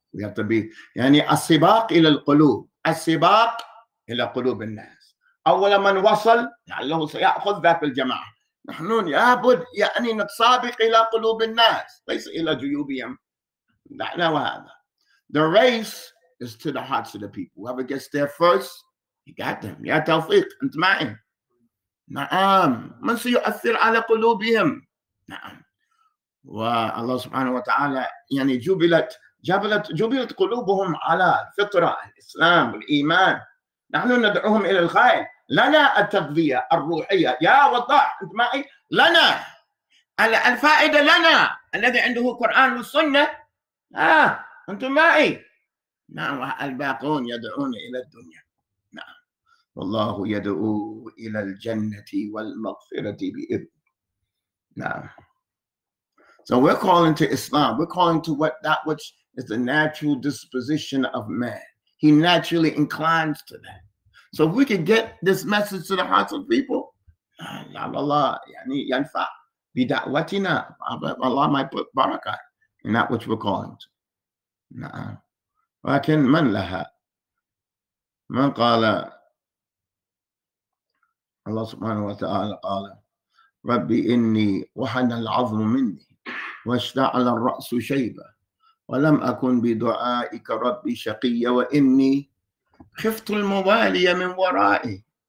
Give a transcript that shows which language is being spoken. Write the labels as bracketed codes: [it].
[en] We have to be [ar] يعني السباق إلى القلوب. السباق إلى قلوب الناس. أول من وصل لعله سيأخذ ذاك الجماعة. نحن يابد يعني نتسابق إلى قلوب الناس ليس إلى جيوبهم. نحن وهذا. [en] The race is to the hearts of the people. Whoever gets there first, he got them. [ar] يا توفيق أنت معي. نعم. من سيؤثر على قلوبهم. نعم. والله سبحانه وتعالى يعني جبلت قلوبهم على الفطرة الإسلام والإيمان. نحن ندعوهم إلى الخير. لنا التغذية الروحية يا وضح أنت معي. لنا الفائدة لنا الذي عنده القرآن والسنة. أنت معي. نعم. الباقون يدعون إلى الدنيا. نعم. والله يدعو إلى الجنة والمغفرة بإذن. نعم. [en] So we're calling to Islam. We're calling to what that which is the natural disposition of man. He naturally inclines to that. So if we could get this message to the hearts of people, Allah, [ar] yani yanfa bidawatina, [en] Allah might put barakah in that which we're calling to. [ar] ولكن من لها من قال الله سبحانه وتعالى قال ربي إني وحن العظم مني واشتعل الرأس شيبة ولم أكن بدعائك ربي شقيا وإني خفت الموالي من ورائي.